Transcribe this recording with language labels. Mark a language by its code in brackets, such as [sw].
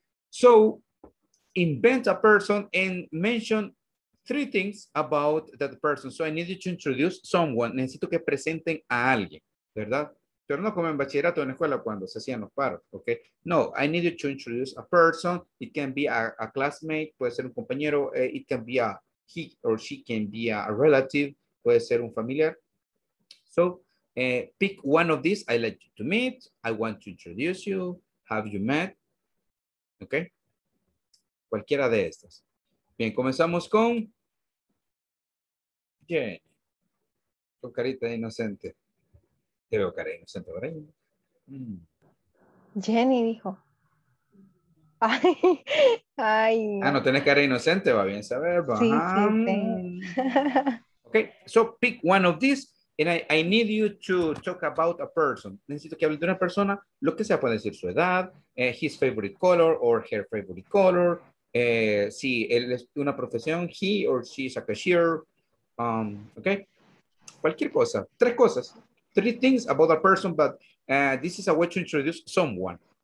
[en] So, invent a person and mention three things about that person. So I need you to introduce someone. [es] Necesito que presenten a alguien, ¿verdad? Pero no como en bachillerato en escuela cuando se hacían los paros, ¿ok? [en] No, I need you to introduce a person. It can be a classmate, [es] puede ser un compañero. [en] It can be a he or she can be a relative, [es] puede ser un familiar. [en] So, pick one of these. I like you to meet. I want to introduce you. Have you met? ¿Ok? [es] Cualquiera de estas. Bien, comenzamos con... Jenny. Yeah. Con carita de inocente. Te veo, Karen, no siento, ¿verdad? Jenny dijo. Ay, ay. Ah, no tenés cara inocente, va bien saber. Sí, sí, sí. [en] Ok, so pick one of these, and I need you to talk about a person. [es] Necesito que hable de una persona, lo que sea, puede decir su edad, [en] his favorite color or her favorite color, [es] si él es una profesión, [en] he or she is a cashier, [es] ok, cualquier cosa, tres cosas. [en] Three things about a person, but this is a way to introduce someone.